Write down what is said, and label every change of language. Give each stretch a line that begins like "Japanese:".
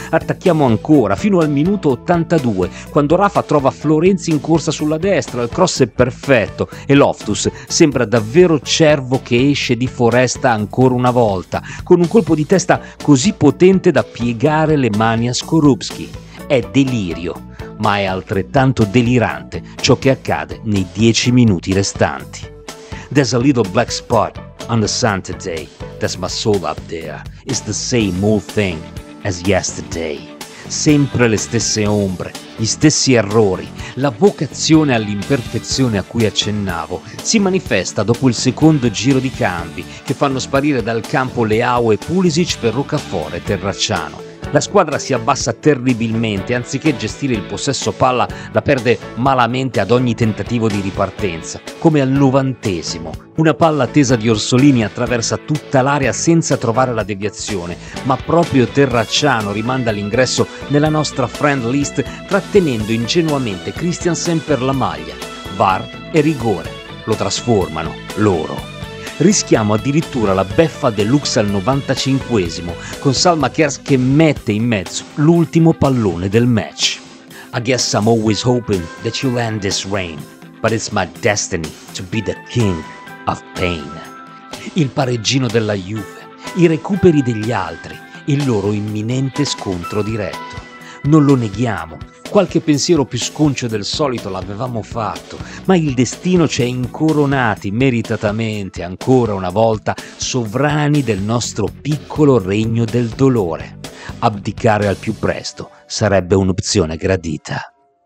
Italian: Attacchiamo ancora, fino al minuto 82, quando Rafa trova Florenzi in corsa sulla destra, il cross è perfetto e Loftus sembra davvero cervo che esce di foresta ancora una volta, con un colpo di testa così potente da piegare le mani a Skorupski. È delirio, ma è altrettanto delirante ciò che accade nei 10 minuti restanti.
English: There's a little black spot on the sun today. That's my soul up there. It's the same old thing as yesterday.
Italian: Sempre le stesse ombre, gli stessi errori. La vocazione all'imperfezione a cui accennavo si manifesta dopo il secondo giro di cambi che fanno sparire dal campo Leao e Pulisic per Rocafort e Terracciano. La squadra si abbassa terribilmente, anziché gestire il possesso palla, la perde malamente ad ogni tentativo di ripartenza, come al 90esimo. Una palla tesa di Orsolini attraversa tutta l'area senza trovare la deviazione, ma proprio Terracciano rimanda l'ingresso nella nostra friend list, trattenendo ingenuamente Christiansen per la maglia. VAR e rigore lo trasformano loro. Rischiamo addirittura la beffa deluxe al 95esimo, con Salmakers che mette in mezzo l'ultimo pallone del match.
English: I guess I'm always hoping that you land this rain, but it's my destiny to be the king of pain.
Italian: Il pareggino della Juve, i recuperi degli altri, il loro imminente scontro diretto. Non lo neghiamo. Qualche pensiero più sconcio del solito l'avevamo fatto, ma il destino ci è incoronati meritatamente, ancora una volta, sovrani del nostro piccolo regno del dolore. Abdicare al più presto sarebbe un'opzione gradita.